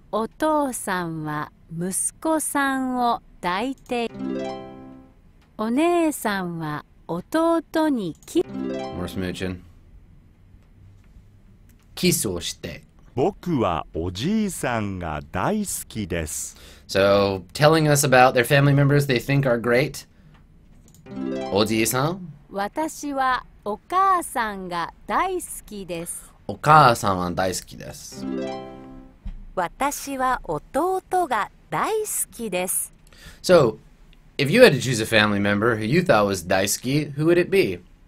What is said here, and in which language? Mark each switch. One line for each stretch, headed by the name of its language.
Japanese: お父さんは息子さんを抱いて。お姉さんは弟にキス。
English: More smoochin'.
Japanese: キスをして。僕はおじいさんが大好きです。
English: So, telling us about their family members they think are great.
Japanese: おじいさん。私はお母さんが大好きです。お母さんは大好きです。私は弟が大好きです。
English: So, if you had to choose a family member who you thought was 大好き, who would it be?